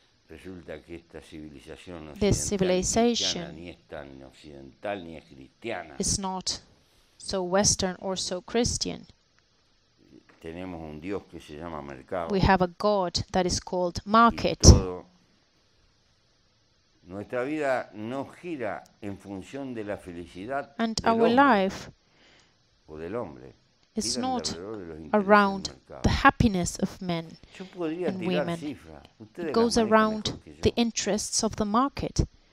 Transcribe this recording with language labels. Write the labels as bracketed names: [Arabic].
[Spanish] Resulta que esta civilización occidental ni es cristiana. [English] It's not so Western or so Christian. [Spanish] Tenemos un Dios que se llama mercado. [English] We have a God that is called market. [Spanish] Nuestra vida no gira en función de la felicidad [English] and our life [Spanish] o del hombre. [English] It's not around the happiness of men and women. It goes around the interests of the market.